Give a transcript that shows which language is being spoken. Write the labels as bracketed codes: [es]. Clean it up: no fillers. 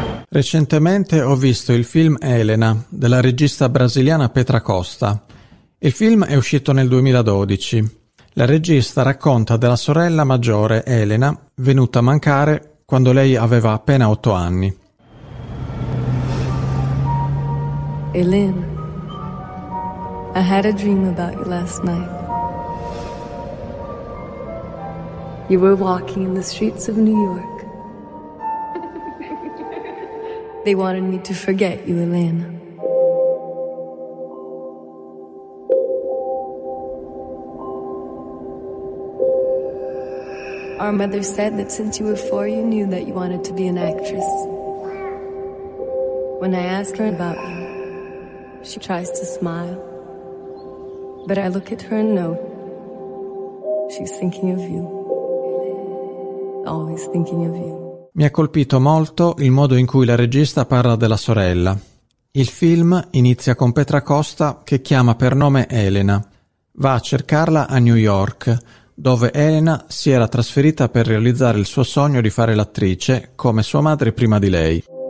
[it] Recentemente ho visto il film Elena, della regista brasiliana Petra Costa. Il film è uscito nel 2012. La regista racconta della sorella maggiore, Elena, venuta a mancare quando lei aveva appena 8 anni. [en] Elena, I had a dream about you last night. You were walking in the streets of New York. They wanted me to forget you, Elena. Our mother said that since you were 4, you knew that you wanted to be an actress. When I ask her about you, she tries to smile. But I look at her and know she's thinking of you. Always thinking of you. [it] Mi ha colpito molto il modo in cui la regista parla della sorella. Il film inizia con Petra Costa che chiama per nome Elena. Va a cercarla a New York, dove Elena si era trasferita per realizzare il suo sogno di fare l'attrice, come sua madre prima di lei.